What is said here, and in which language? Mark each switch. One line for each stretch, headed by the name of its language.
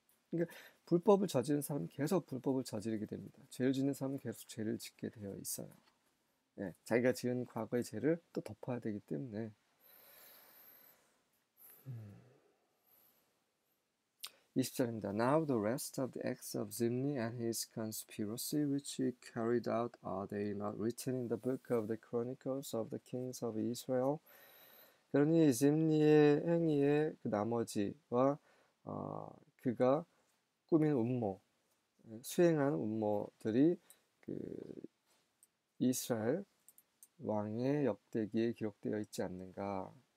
Korean: 그러니까 불법을 저지른 사람은 계속 불법을 저지르게 됩니다. 죄를 짓는 사람은 계속 죄를 짓게 되어 있어요. 자기가 지은 과거의 죄를 또 덮어야 되기 때문에 20절입니다.
English: Now the rest of the acts of Zimri and his conspiracy which he carried out, are they not written in the book of the Chronicles of the Kings of Israel?
Korean: 그러니 짐니의 행위의 그 나머지와 그가 꾸민 음모, 수행한 음모들이 그 이스라엘 왕의 역대기에 기록되어 있지 않는가?